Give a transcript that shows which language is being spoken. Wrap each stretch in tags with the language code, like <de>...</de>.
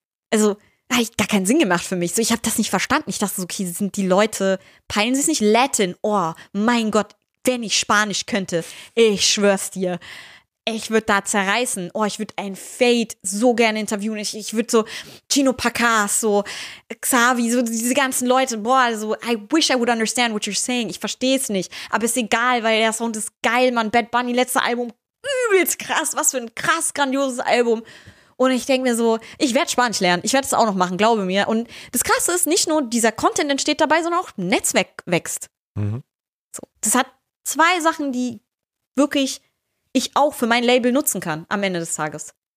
<de>Also, da habe ich gar keinen Sinn gemacht für mich. So, ich habe das nicht verstanden. Ich dachte so, okay, sind die Leute, peilen sie es nicht? Latin, oh mein Gott, wenn ich Spanisch könnte, ich schwör's dir, ich würde da zerreißen. Oh, ich würde ein Fade so gerne interviewen. Ich würde so Chino Pacas, so Xavi, so diese ganzen Leute.</de> <en>Boah, so, I wish I would understand what you're saying.</en> <de>Ich verstehe es nicht. Aber ist egal, weil der Sound ist geil, Mann. Bad Bunny, letzte Album, übelst krass. Was für ein krass grandioses Album. Und ich denke mir so, ich werde Spanisch lernen. Ich werde es auch noch machen, glaube mir. Und das Krasse ist, nicht nur dieser Content entsteht dabei, sondern auch Netzwerk wächst. Mhm. So, das hat zwei Sachen, die wirklich ich auch für mein Label nutzen kann am Ende des Tages.</de>